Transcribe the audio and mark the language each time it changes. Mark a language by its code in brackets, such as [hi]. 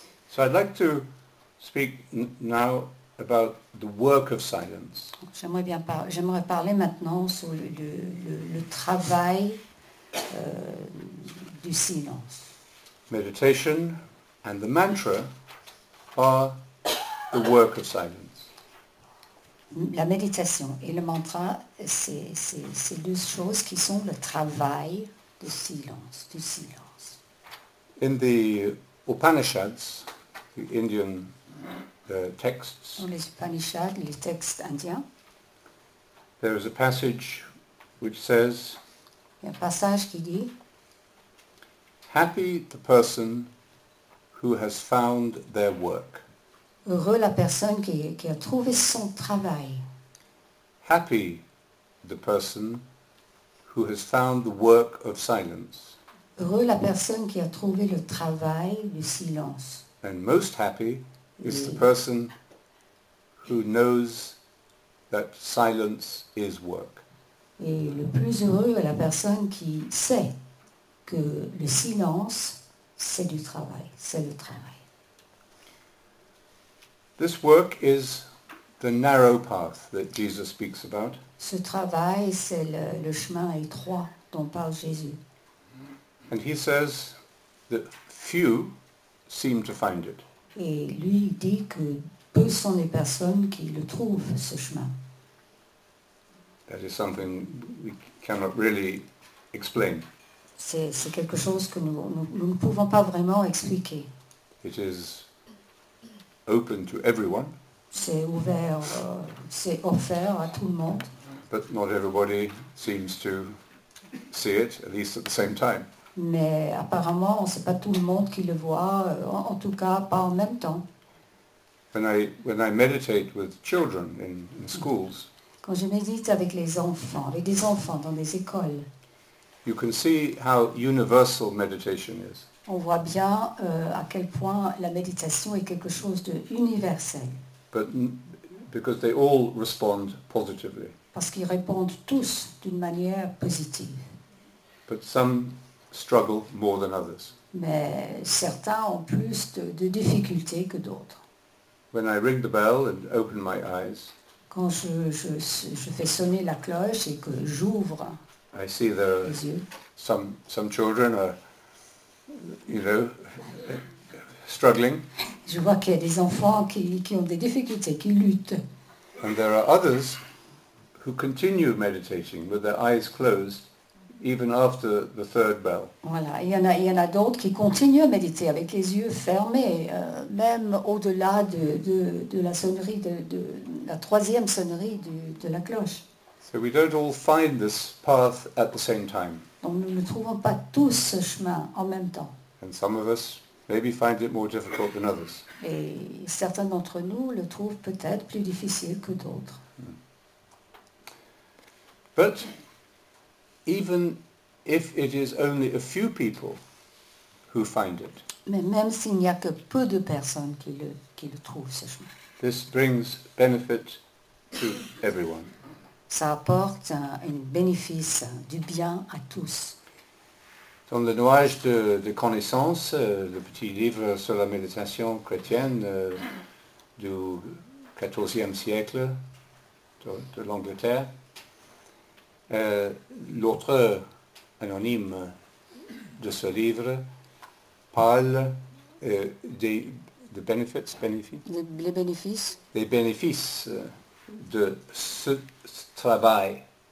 [en] So I'd like to speak now about the work of silence. [fr] J'aimerais parler maintenant sur le travail du silence. [en] Meditation and the mantra are the work of silence. [fr] La méditation et le mantra, c'est deux choses qui sont le travail du silence. [en] In the Upanishads, the Indian texts. [fr] Les Upanishads, les textes indiens. [en] There is a passage which says, [fr] il y a un passage qui dit, [en] happy the person who has found their work. [fr] Heureux la personne qui a trouvé son travail. [en] Happy the person who has found the work of silence. [fr] Heureux la personne qui a trouvé le travail du silence. [en] And most happy is the person who knows that silence is work. [fr] Et le plus heureux est la personne qui sait que le silence, c'est du travail, c'est le travail. [en] This work is the narrow path that Jesus speaks about. [fr] Ce travail, c'est le chemin étroit dont parle Jésus. [en] And he says that few seem to find it. [fr] Et lui dit que peu sont les personnes qui le trouvent, ce chemin. [en] That is something we cannot really explain. [fr] C'est quelque chose que nous ne pouvons pas vraiment expliquer. [en] It is open to everyone. [fr] C'est ouvert, c'est offert à tout le monde. [en] But not everybody seems to see it, at least at the same time. [fr] Mais apparemment, ce n'est pas tout le monde qui le voit, en tout cas pas en même temps. [en] When I meditate with children in schools, [fr] quand je médite avec des enfants dans des écoles, [en] you can see how universal meditation is. [fr] On voit bien à quel point la méditation est quelque chose de universel. [en] Because they all respond positively. [fr] Parce qu'ils répondent tous d'une manière positive. [en] But some struggle more than others. [fr] Mais certains ont plus de difficultés que d'autres. [en] When I ring the bell and open my eyes, [fr] quand je fais sonner la cloche et que j'ouvre [en] I see there are [fr] les yeux, [en] some children are, you know, struggling. [fr] Je vois qu'il y a des enfants qui ont des difficultés, qui luttent. [en] And there are others who continue meditating with their eyes closed even after the third bell. [fr] Voilà, il y en a d'autres qui continuent à méditer avec les yeux fermés, même au-delà de la sonnerie de la troisième sonnerie de la cloche. [en] So we don't all find this path at the same time. [fr] Donc nous ne trouvons pas tous ce chemin en même temps. [en] And some of us maybe find it more difficult than others. [fr] Et certains d'entre nous le trouvent peut-être plus difficile que d'autres. [en] But even if it is only a few people who find it, [fr] mais même s'il n'y a que peu de personnes qui le trouvent ce chemin, [en] this brings benefit to everyone. [fr] Ça apporte un bénéfice, du bien à tous. Dans le nuage de connaissances, le petit livre sur la méditation chrétienne du XIVe siècle de l'Angleterre, l'auteur anonyme de ce livre parle des bénéfices de ce travail.